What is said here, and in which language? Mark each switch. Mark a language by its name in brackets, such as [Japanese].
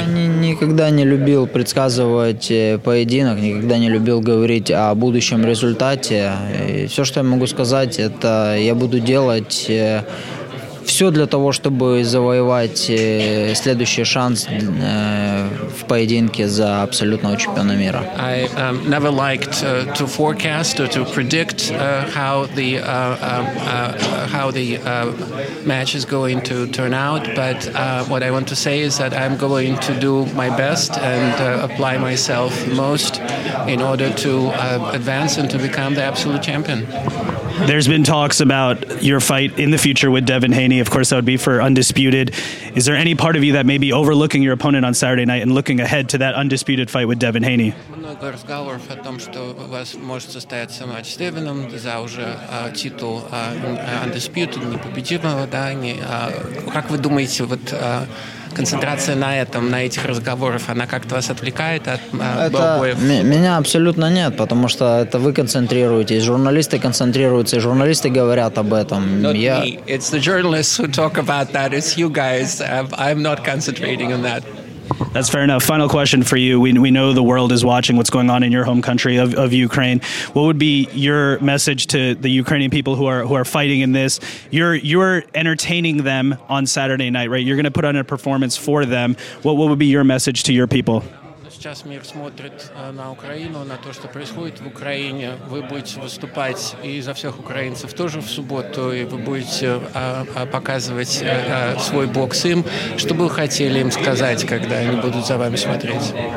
[Russian] Я никогда не любил предсказывать поединок, никогда не любил говорить о будущем результате. И все, что я могу сказать, это я буду делать... все для того, чтобы завоевать следующий шанс в поединке за абсолютного чемпиона мира. [English] I never liked to forecast or to predict how the match is going to turn out, but what I want to say is that I'm going to do my best and apply myself most in order to advance and to become the absolute champion. There's been talks about your fight in the future with Devin Haney. Of course, that would be for Undisputed. Is there any part of you that may be overlooking your opponent on Saturday night and looking ahead to that Undisputed fight with Devin Haney? [Russian] Много разговоров о том, что у вас может состояться матч с Девином за уже титул Undisputed, непобедимого, да? Как вы думаете, вот концентрация на этом, на этих разговорах, она как-то вас отвлекает от боев? Меня абсолютно нет, потому что это вы концентрируетесь, журналисты концентрируются, и журналисты говорят об этом. [English] It's the journalists who talk about that, it's you guys. I'm not concentrating on that. That's fair enough. Final question for you. We know the world is watching what's going on in your home country of Ukraine. What would be your message to the Ukrainian people who are fighting in this? You're entertaining them on Saturday night, right? You're going to put on a performance for them. What would be your message to your people? [Russian] Сейчас мир смотрит на Украину, на то, что происходит в Украине. Вы будете выступать и за всех украинцев тоже в субботу, и вы будете показывать свой бокс им. Что бы вы хотели им сказать, когда они будут за вами смотреть?